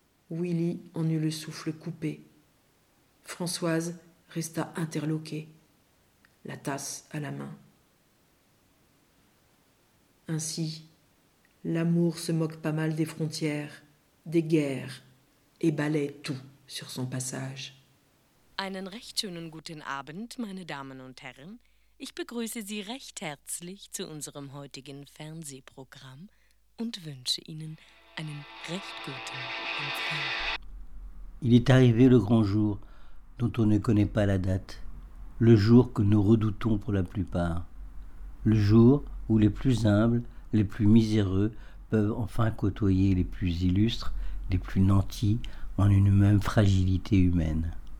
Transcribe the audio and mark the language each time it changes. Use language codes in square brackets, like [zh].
[fr] Willy en eut le souffle coupé. Françoise resta interloquée, la tasse à la main. Ainsi, l'amour se moque pas mal des frontières, des guerres, et balaie tout sur son passage. [de] Einen recht schönen guten Abend, meine Damen und Herren. Ich begrüße Sie recht herzlich zu unserem heutigen Fernsehprogramm und wünsche Ihnen einen recht guten Empfang. [fr] Il est arrivé le grand jour dont on ne connaît pas la date, le jour que nous redoutons pour la plupart, le jour où les plus humbles, les plus miséreux peuvent enfin côtoyer les plus illustres, les plus nantis en une même fragilité humaine.